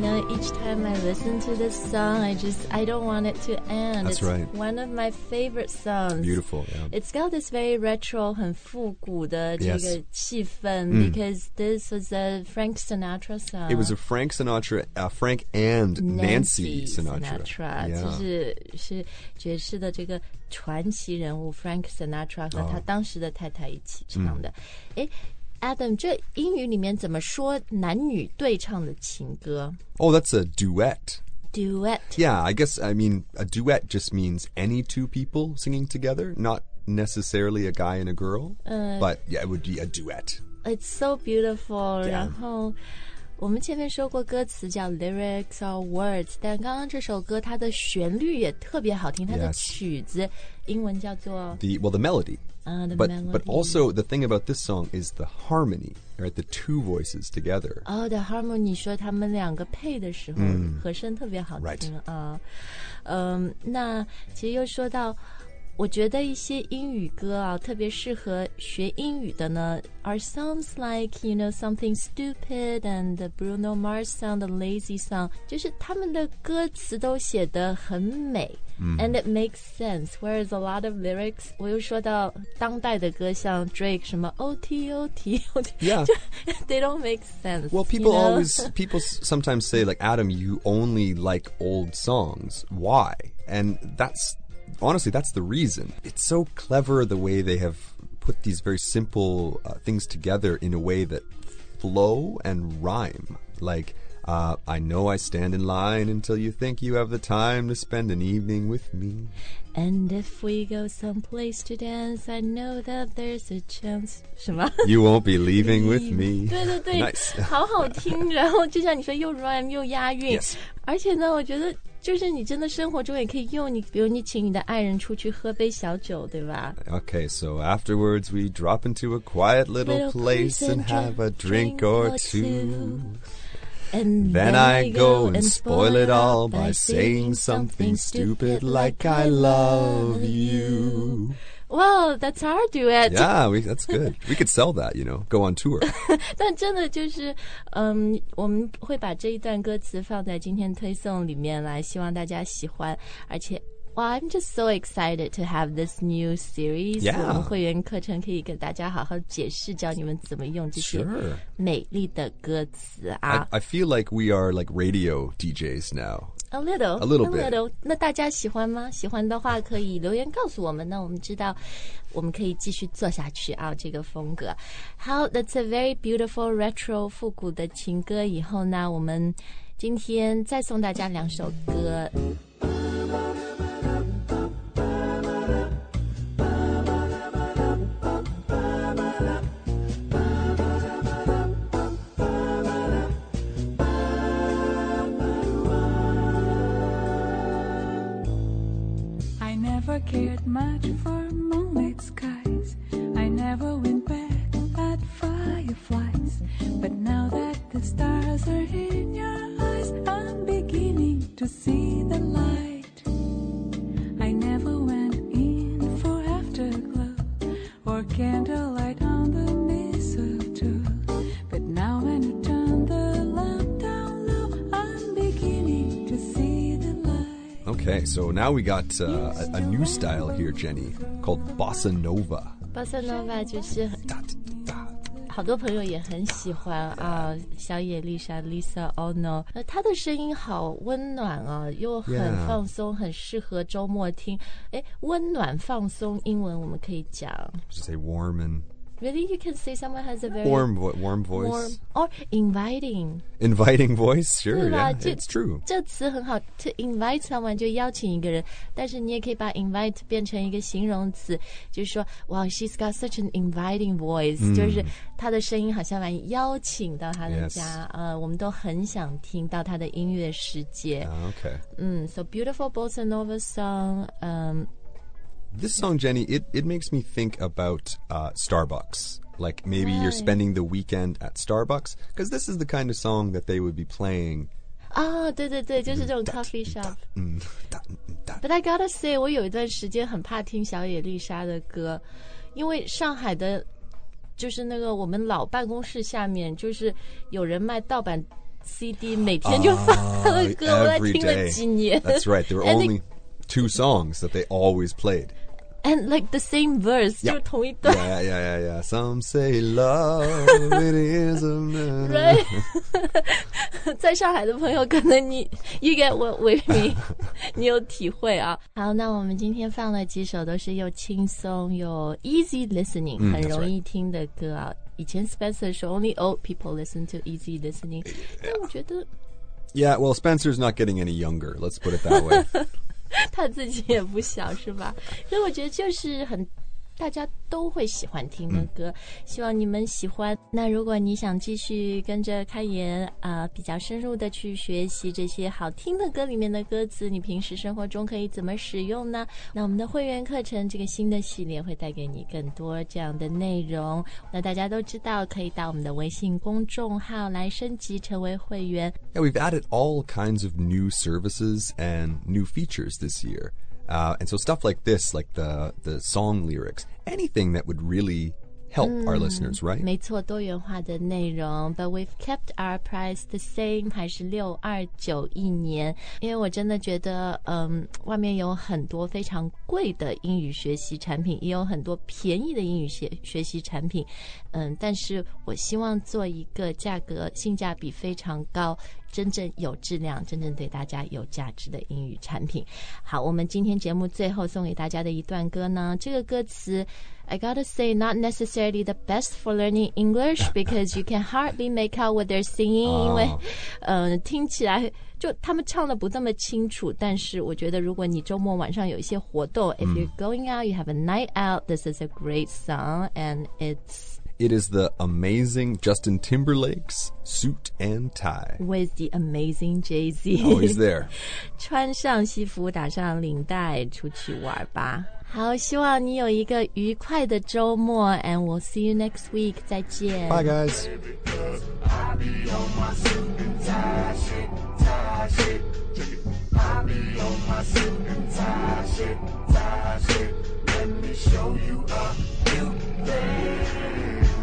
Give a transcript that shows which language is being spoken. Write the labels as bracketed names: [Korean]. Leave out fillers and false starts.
[English] Each time I listen to this song, I don't want it to end. That's right. It's one of my favorite songs. Beautiful, yeah. It's got this very retro, [Chinese] 很复古的这个气氛 [English] because this was a Frank Sinatra song. It was a Frank Sinatra, Frank and Nancy Sinatra. Sinatra, [Chinese] 就是爵士的这个传奇人物 Frank Sinatra 和他当时的太太一起唱的。 Adam, 这英语里面怎么说男女对唱的情歌? [English] Oh, that's a duet. Duet. Yeah, I guess, I mean, a duet just means any two people singing together, not necessarily a guy and a girl, but yeah, it would be a duet. It's so beautiful. Yeah. [Chinese] 然后我们前面说过歌词叫 [English] lyrics or words, [Chinese] 但刚刚这首歌它的旋律也特别好听，它的曲子、 [English] yes. [Chinese] 英文叫做 [English] the melody. But also the thing about this song is the harmony, right? The two voices together. Oh, the harmony, [Chinese] 说他们两个配的时候、和声特别好听、 [English] right. [Chinese] 那其实又说到我觉得一些英语歌啊特别适合学英语的呢 [English] are songs like, you know, Something Stupid and the Bruno Mars song, the Lazy song, [Chinese] 就是他们的歌词都写得很美、 [English] and it makes sense, whereas a lot of lyrics, [Chinese] 我又说到当代的歌像 Drake, 什么 OT, OT, OT, [English] yeah. they don't make sense. Well, people you know? always, people sometimes say like, Adam, you only like old songs, why? And that's,Honestly, that's the reason. It's so clever the way they have put these very simple、things together in a way that flow and rhyme. Like,、I know I stand in line until you think you have the time to spend an evening with me. And if we go someplace to dance, I know that there's a chance. [Chinese] 什么 [English] You won't be leaving with me. [Chinese] 对对对 [English] Nice. [Chinese] 好好听然后就像你说又 rhyme 又押韵、 [English] yes. [Chinese] 而且呢我觉得就是你真的生活中也可以用你比如你请你的爱人出去喝杯小酒对吧 [English] Okay, so afterwards we drop into a quiet little place and have a drink or two And then I go and spoil it all by saying something stupid like I love you Well, that's our duet Yeah, that's good We could sell that, you know, go on tour [Chinese] 但真的就是、我们会把这一段歌词放在今天推送里面来希望大家喜欢而且 [English] Well, I'm just so excited to have this new series Yeah [Chinese] 我们会员课程可以给大家好好解释教你们怎么用这些美丽的歌词啊 [English] I feel like we are like radio DJs now A little bit. [Chinese] 那大家喜欢吗？喜欢的话可以留言告诉我们，那我们知道我们可以继续做下去啊，这个风格。 [English] 好 ，That's a very beautiful retro [Chinese] 复古的情歌。以后呢，我们今天再送大家两首歌。 [English] Cared much for moonlit skies. I never went back at fireflies. But now that the stars are in your eyes, I'm beginning to see the light. I never went in for afterglow or candlelight on the mistletoe. But now when you turn the lamp down low, I'm beginning to see the light. Okay, so now we got a new style here, Jenny, called Bossa Nova. [Chinese] Bossa Nova 就是好多朋友也很喜欢啊，小野丽莎 Lisa Ono， 她的声音好温暖啊，又很放松，很适合周末听。哎，温暖放松，英文我们可以讲 [English] ，say warm and。 Really, you can say someone has a very warm voice. Warm, or inviting. Inviting voice, sure, yeah, it's true. [Chinese] 这词很好 [English] to invite someone [Chinese] 就邀请一个人但是你也可以把 invite 变成一个形容词就是说 [English] wow, she's got such an inviting voice,、 [Chinese] 就是她的声音好像把你邀请到她的家、 [English] yes. [Chinese] 我们都很想听到她的音乐世界。 [English] Okay. So beautiful Bossa Nova song, This song, Jenny, it makes me think about Starbucks. Like maybe、 right. you're spending the weekend at Starbucks, because this is the kind of song that they would be playing. [Chinese] Oh, 对对对，就是这种 coffee shop. [English] But I gotta say, [Chinese] 我有一段时间很怕听小野丽莎的歌，因为上海的，就是那个我们老办公室下面，就是有人卖盗版 CD， 每天就放他的歌，我在听了几年。 [English] That's right. There were only two songs that they always played. And like the same verse, yeah. [Chinese] 就是同一段 [English] Yeah. Some say love, it is a man. Right? [Chinese] 在上海的朋友可能你 [English] you get what we mean. [Chinese] 你有体会啊。好那我们今天放了几首都是又轻松又 easy listening,、很容易听的歌啊。 [English] 以前 Spencer 说 only old people listen to easy listening. Yeah. [Chinese] 但我觉得 [English] Yeah, well, Spencer's not getting any younger, let's put it that way. [Chinese] 他自己也不小是吧所以我觉得就是很大家都会喜欢听的歌、嗯、希望你们喜欢。那如果你想继续跟着开言、比较深入的去学习这些好听的歌里面的歌词，你平时生活中可以怎么使用呢？那我们的会员课程这个新的系列会带给你更多这样的内容。那大家都知道可以到我们的微信公众号来升级成为会员。 [English] Yeah, we've added all kinds of new services and new features this year. And so stuff like this, like the song lyrics, anything that would really help、our listeners, right? [Chinese] 没错，多元化的内容。 [English] But we've kept our price the same, [Chinese] 还是629一年。因为我真的觉得、外面有很多非常贵的英语学习产品，也有很多便宜的英语 学习产品、但是我希望做一个价格性价比非常高，真正有质量，真正对大家有价值的英语产品。好，我们今天节目最后送给大家的一段歌呢，这个歌词 [English] I gotta say not necessarily the best for learning English because you can hardly make out what they're singing、 [Chinese] 因为、听起来就他们唱的不那么清楚，但是我觉得如果你周末晚上有一些活动、 [English] If you're going out, you have a night out, this is a great song and it is the amazing Justin Timberlake's Suit and Tie. With the amazing Jay-Z. Oh, he's there. [Chinese] 穿上西服打上领带出去玩吧。好，希望你有一个愉快的周末。 [English] And we'll see you next week. [Chinese] 再见。 [English] Bye, guys. Let me show you a new thing.